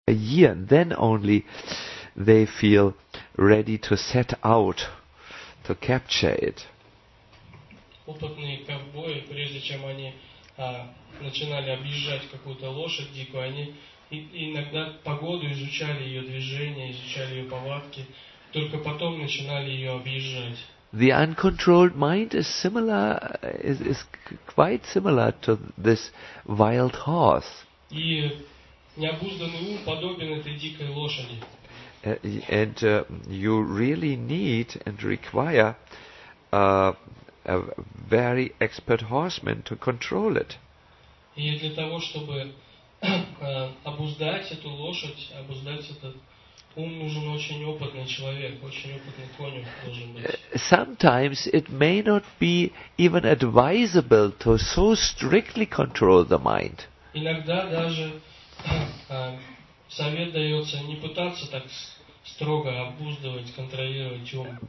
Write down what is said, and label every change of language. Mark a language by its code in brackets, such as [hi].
[en] a year, and then only they feel ready to set out to capture it. [ru] Опытные ковбои, прежде чем они начинали объезжать какую-то лошадь дикую, они иногда погоду изучали, ее движение, изучали ее повадки, только потом начинали ее объезжать. [en] The uncontrolled mind is similar, is quite similar to this wild horse. [ru] И необузданный ум подобен этой дикой лошади. [en] And you really need and require a very expert horseman to control it. [ru] И для того, чтобы обуздать эту лошадь, обуздать этот ум, нужен очень опытный человек, очень опытный конюх должен быть. [en] Sometimes it may not be even advisable to so strictly control the mind. [ru] Иногда даже совет дается не пытаться так строго обуздывать, контролировать ум.